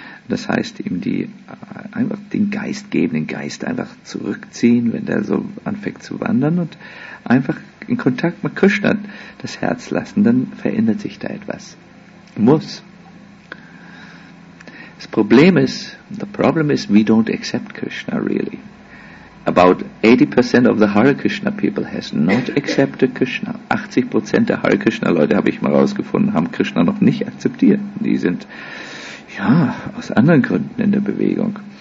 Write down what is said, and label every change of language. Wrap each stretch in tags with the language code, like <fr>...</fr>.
<de>Das heißt, ihm die einfach den Geist geben, den Geist einfach zurückziehen, wenn der so anfängt zu wandern, und einfach in Kontakt mit Krishna das Herz lassen, dann verändert sich da etwas. Muss. Das Problem ist,</de> <en>we don't accept Krishna really. About 80% of the Hare Krishna people has not accepted Krishna.</en> <de>80% der Hare Krishna Leute, habe ich mal rausgefunden, haben Krishna noch nicht akzeptiert. Die sind, ja, aus anderen Gründen in der Bewegung.</de>